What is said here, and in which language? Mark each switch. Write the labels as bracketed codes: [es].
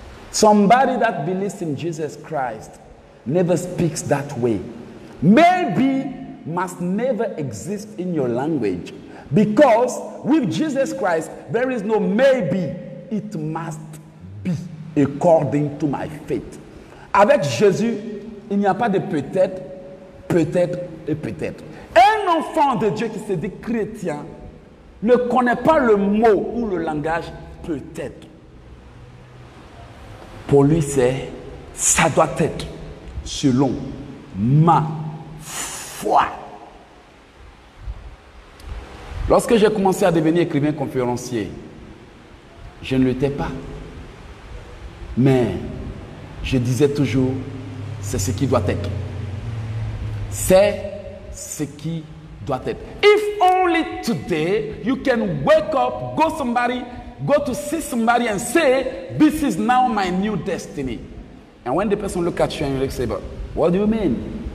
[en] Somebody that believes in Jesus Christ never speaks that way. Maybe must never exist in your language. Because with Jesus Christ, there is no maybe. It must be according to my faith. [fr] Avec Jésus, il n'y a pas de peut-être, peut-être et peut-être. Un enfant de Dieu qui se dit chrétien ne connaît pas le mot ou le langage peut-être. Pour lui, c'est ça doit être selon ma foi. Lorsque j'ai commencé à devenir écrivain conférencier, je ne l'étais pas. Mais je disais toujours, c'est ce qui doit être. C'est ce qui doit être. [en] If only today you can wake up, go to see somebody and say, this is now my new destiny. And when the person look at you and you say, but what do you mean?